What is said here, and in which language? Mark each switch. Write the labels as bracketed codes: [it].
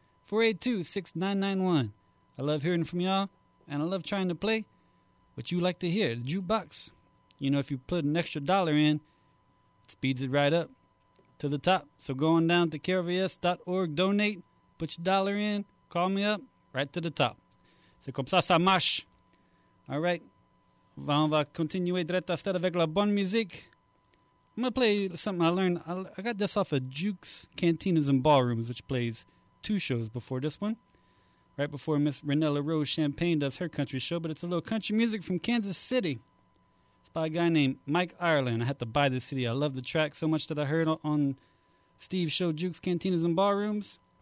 [en] 337-482-6991. I love hearing from y'all, and I love trying to play what you like to hear, the jukebox. You know, if you put an extra dollar in, it speeds it right up to the top. So go on down to KRVS.org, donate, put your dollar in, call me up, right to the top. [fr] C'est comme ça, ça marche. [en] All right. [fr] On va continuer direct à ça avec la bonne musique. [en] I'm going to play something I learned. I got this off of Jukes, Cantinas, and Ballrooms, which plays two shows before this one. Right before Miss Renella Rose Champagne does her country show, but it's a little country music from Kansas City. It's by a guy named Mike Ireland. I had to buy this CD. I love the track so much that I heard on Steve's show, Jukes, Cantinas, and Ballrooms.